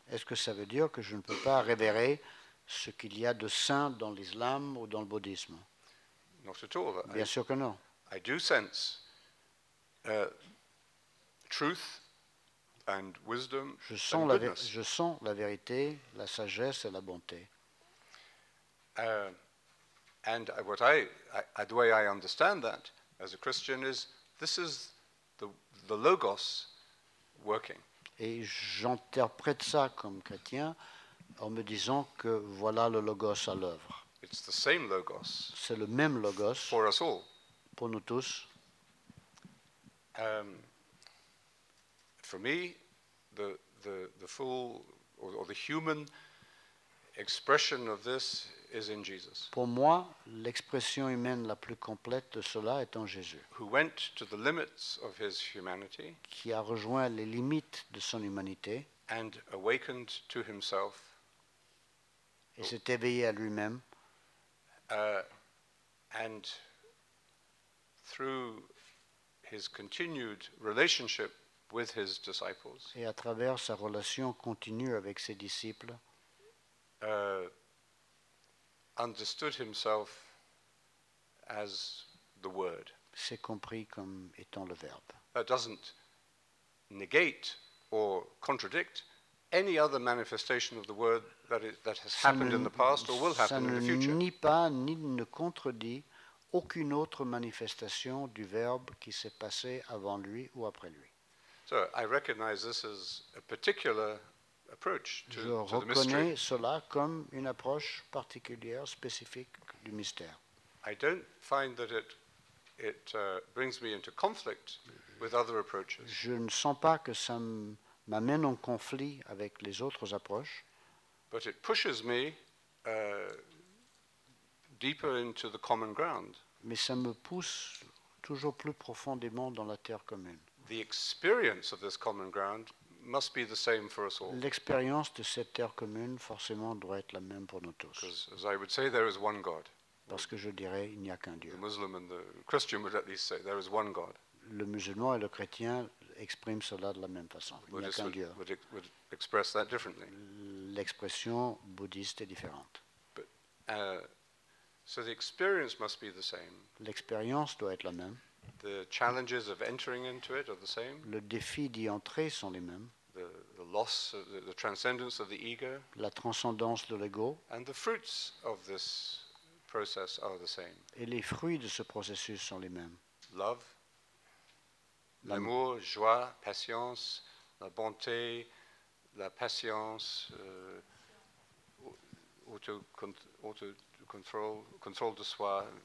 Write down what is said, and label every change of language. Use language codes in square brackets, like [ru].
[fr] Est-ce que ça veut dire que je ne peux pas révérer ce qu'il y a de saint dans l'islam ou dans le bouddhisme? [en] Not at all. [fr] Bien sûr que non. [en] I do sense truth and wisdom. [fr] Je sens la vérité, la sagesse et la bonté. [en] And what I the way I understand that as a Christian is this is the logos working. [fr] Et j'interprète ça comme chrétien en me disant que voilà le logos à l'œuvre. [en] It's the same logos. [fr] C'est le même logos. [en] For us all. [fr] Pour nous tous. [en] For me, the full or the human expression of this is in Jesus. [fr] Pour moi, l'expression humaine la plus complète de cela est en Jésus. [en] Who went to the limits of his humanity, [fr] qui a rejoint les limites de son humanité, [en] and awakened to himself, [fr] et s'est éveillé à lui-même, [en] and through his continued relationship with his disciples, [fr] et à travers sa relation continue avec ses disciples, [en] understood himself as the Word. [fr] S'est compris comme étant le Verbe. [en] That doesn't negate or contradict any other manifestation of the Word that has happened in the past or will happen in the future. [fr] Ça ne nie pas ni ne contredit aucune autre manifestation du Verbe qui s'est passé avant lui ou après lui. [en] So I recognize this as a particular approach to the mystery. [fr] Je reconnais cela comme une approche particulière, spécifique du mystère. [en] I don't find that it brings me into conflict with other approaches. [fr] Je ne sens pas que ça m'amène en conflit avec les autres approches. [en] But it pushes me deeper into the common ground. [fr] Mais ça me pousse toujours plus profondément dans la terre commune. [en] The experience of this common ground must be the same for us all. [fr] L'expérience de cette terre commune forcément doit être la même pour nous tous. [en] Because, as I would say, there is one God. [fr] Parce que je dirais, il n'y a qu'un Dieu. [en] The Muslim and the Christian would at least say there is one God. [fr] Le musulman et le chrétien expriment cela de la même façon. Il n'y a qu'un Dieu. [en] Would express that differently. [fr] L'expression bouddhiste est différente. [en] But, so the experience must be the same. [fr] L'expérience doit être la même. [en] The challenges of entering into it are the same. [fr] Le défi d'y entrer sont les mêmes. [en] The loss of the transcendence of the ego. [fr] La transcendance de l'ego. [en] And the fruits of this process are the same. [fr] Et les fruits de ce processus sont les mêmes. Love, l'amour, joie, patience, la bonté, la patience, auto-control de soi.